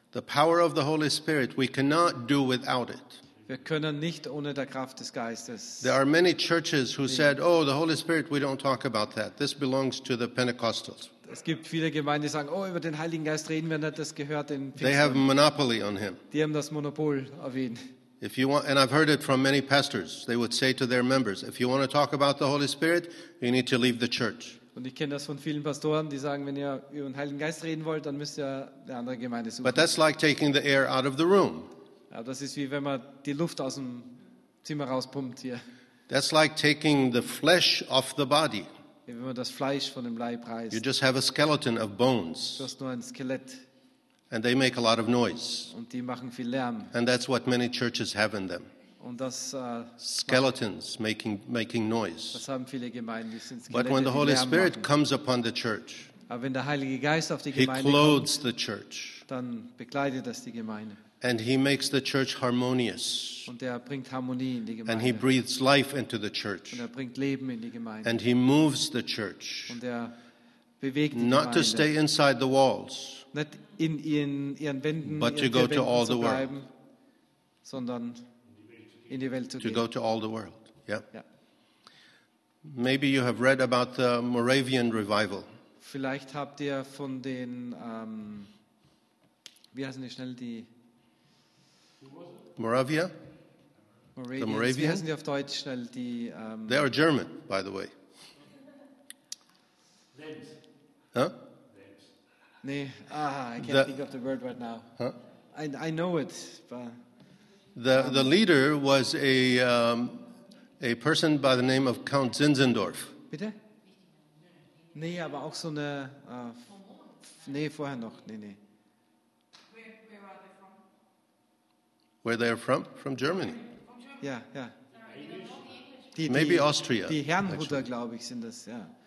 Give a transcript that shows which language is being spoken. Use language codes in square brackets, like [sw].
[en] The power of the Holy Spirit, we cannot do without it. [de] Wir können nicht ohne der Kraft des Geistes. [en] There are many churches who said, oh, the Holy Spirit, we don't talk about that. This belongs to the Pentecostals. [de] Es gibt viele Gemeinden, die sagen, oh, über den Heiligen Geist reden wir nicht, das gehört den Pfingsten. [en] They have a monopoly on him. [de] Die haben das Monopol auf ihn. [en] If you want, and I've heard it from many pastors, they would say to their members, if you want to talk about the Holy Spirit, you need to leave the church. [de] Und ich kenne das von vielen Pastoren, die sagen, wenn ihr über den Heiligen Geist reden wollt, dann müsst ihr eine andere Gemeinde suchen. [en] But that's like taking the air out of the room. [de] Ja, das ist wie wenn man die Luft aus dem Zimmer rauspumpt hier. [en] That's like taking the flesh off the body. [de] Wie wenn man das Fleisch von dem Leib reißt. [en] You just have a skeleton of bones. [de] Du hast nur ein Skelett. [en] And they make a lot of noise. [de] Und die machen viel Lärm. [en] And that's what many churches have in them. [de] Und das, [en] skeletons making noise. [de] Das haben viele Gemeinden, die sind [en] but when the Holy Spirit comes upon the church, [de] aber wenn der Heilige Geist auf die [en] he [de] Gemeinde [en] clothes [de] kommt, [en] the church. [de] Dann bekleidet das die Gemeinde. [en] And he makes the church harmonious. [de] Und er bringt Harmonie in die Gemeinde. [en] And he breathes life into the church. [de] Und er bringt Leben in die Gemeinde. [en] And he moves the church. [de] Und er bewegt die [en] not [de] Gemeinde. [en] To stay inside the walls, [de] nicht in ihren Wänden, [en] but [de] ihren [en] to go to all the [de] bleiben, [en] world. [de] Sondern in die Welt zu [en] to [de] gehen. [en] Go to all the world. Yeah. Yeah. Maybe you have read about the Moravian revival. [de] Vielleicht habt ihr von den wie heißen die schnell die [en] Moravia? Moravians. The Moravians. [de] Wie heißen die auf Deutsch schnell die [en] they are German, by the way. Lent. Huh? Lent. Nee, ah, I can't think of the word right now. Huh? I know it, but The leader was a person by the name of Count Zinzendorf. [de] Bitte? Nee, aber auch so eine nee, vorher noch. Nee. [en] Where are they from? Where they are from? From Germany. Yeah. Die, maybe Austria. [de] Die Herrenhuter, glaube ich, sind das, ja.